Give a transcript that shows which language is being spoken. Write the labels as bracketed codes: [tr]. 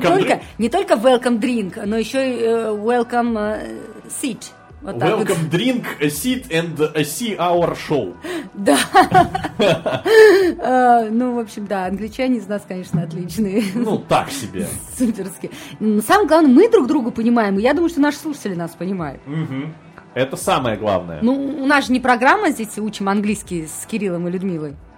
[ru] Причем не только [en] welcome drink, [ru] но еще и [en] welcome seat. [ru] Вот [en] welcome [ru] вот. [en] Drink, sit and see our show. [ru] Да. Ну, в общем, да, англичане из нас, конечно, отличные. Ну, так себе. Суперски. Самое главное, мы друг друга понимаем, и я думаю, что наши слушатели нас понимают. Это самое главное. Ну, у нас же не программа здесь «Учим английский» с Кириллом и Людмилой.